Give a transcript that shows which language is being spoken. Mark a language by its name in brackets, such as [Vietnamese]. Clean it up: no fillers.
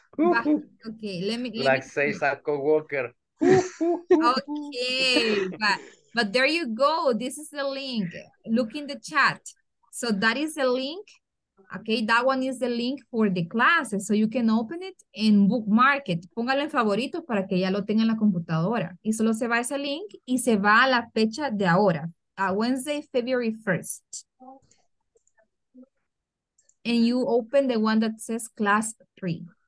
[English] Barry, okay, let me like says a co-worker. Okay, but there you go. This is the link. Look in the chat. So that is the link. Okay, that one is the link for the classes. So you can open it and bookmark it. [Spanish] Póngalo en favoritos para que ya lo tenga en la computadora. Y solo se va ese link y se va a la fecha de ahora. [English] A Wednesday, February 1st. And you open the one that says class 3.